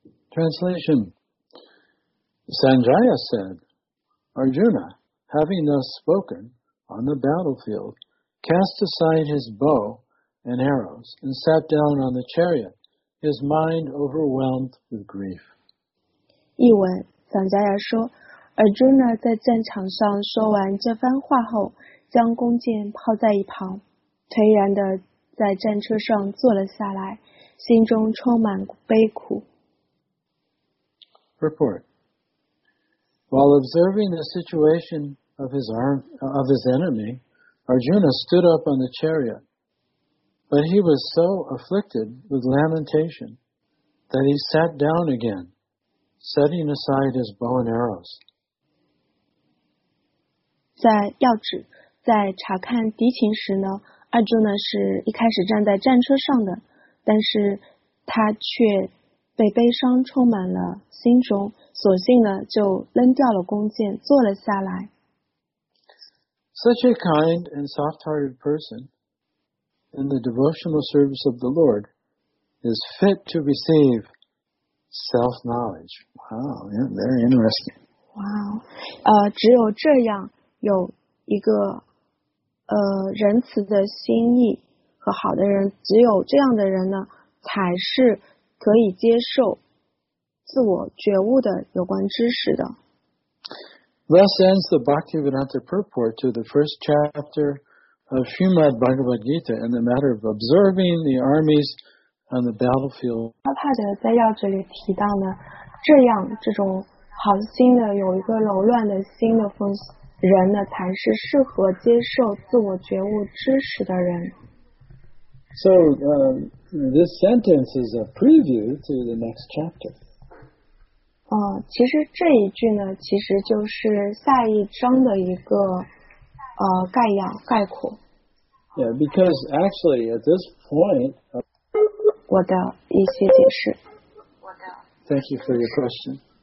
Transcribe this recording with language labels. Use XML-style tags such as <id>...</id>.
<en>Translation Sanjaya saidArjuna, having thus spoken on the battlefield, cast aside his bow and arrows and sat down on the chariot, his mind overwhelmed with grief.</en> <zh>译文，桑加亚说 ，Arjuna 在战场上说完这番话后，将弓箭抛在一旁，颓然地在战车上坐了下来，心中充满悲苦。</zh> <en>Report. While observing the situation of his enemy, Arjuna stood up on the chariot. But he was so afflicted with lamentation that he sat down again, setting aside his bow and arrows.</en> <zh>在要旨，在查看敌情时呢，阿朱呢是一开始站在战车上的，但是他却被悲伤充满了心中，索性呢就扔掉了弓箭，坐了下来。</zh> <en>Such a kind and soft-hearted person in the devotional service of the Lord is fit to receive self-knowledge. Wow, very interesting.</en> <zh>Wow, 只有这样有一个仁慈的心意和好的人，只有这样的人呢才是可以接受自我觉悟的有关知识的。</zh> <en>Thus ends the Bhaktivedanta purport to the first chapter of Srimad Bhagavad Gita in the matter of observing the armies on the battlefield.</en> <zh>阿帕德在要旨里提到呢，这样这种好心的有一个柔软的心的人呢，才是适合接受自我觉悟知识的人。</zh> <en>So, this sentence is a preview to the next chapter.</en> <zh>其实这一句呢，其实就是下一章的一个概要概括。</zh> <en>Yeah, because actually at this point,</en> <zh>我的一些解释。</zh> <en>Thank you for your question.</en>